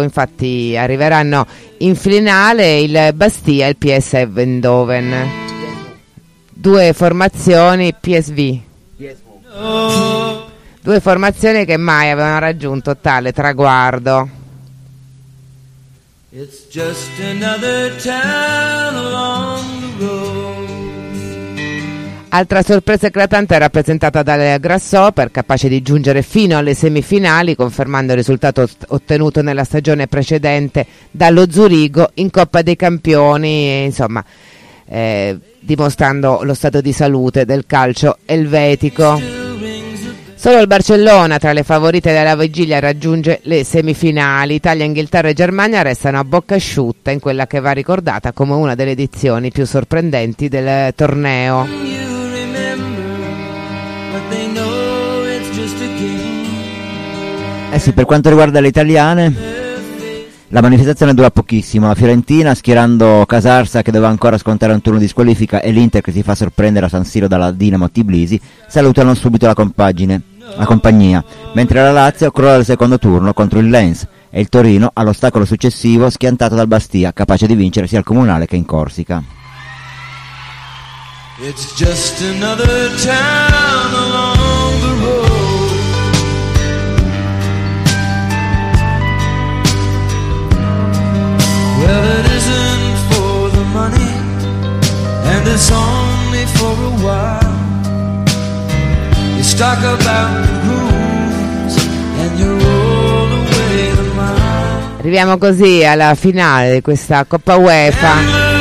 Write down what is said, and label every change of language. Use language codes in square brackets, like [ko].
[it] Infatti arriveranno in finale il Bastia e il PSV Eindhoven. Due formazioni PSV. Due formazioni che mai avevano raggiunto tale traguardo. [en] It's just another town along the road. [it] Altra sorpresa eclatante è rappresentata dalle Grasshopper, capace di giungere fino alle semifinali, confermando il risultato ottenuto nella stagione precedente dallo Zurigo in Coppa dei Campioni, insomma, dimostrando lo stato di salute del calcio elvetico. Solo il Barcellona, tra le favorite della vigilia, raggiunge le semifinali. Italia, Inghilterra e Germania restano a bocca asciutta in quella che va ricordata come una delle edizioni più sorprendenti del torneo. Eh sì, per quanto riguarda le italiane, la manifestazione dura pochissimo. La Fiorentina, schierando Casarsa che deve ancora scontare un turno di squalifica, e l'Inter che si fa sorprendere a San Siro dalla Dinamo Tbilisi, salutano subito la compagnia. Mentre la Lazio crolla il secondo turno contro il Lens e il Torino all'ostacolo successivo schiantato dal Bastia, capace di vincere sia il comunale che in Corsica. [en] It's just another town along the road. Well, it isn't for the money, and it's only for a while. You stock about the rooms, and you roll away the mile. [it] Arriviamo così alla finale di questa Coppa UEFA.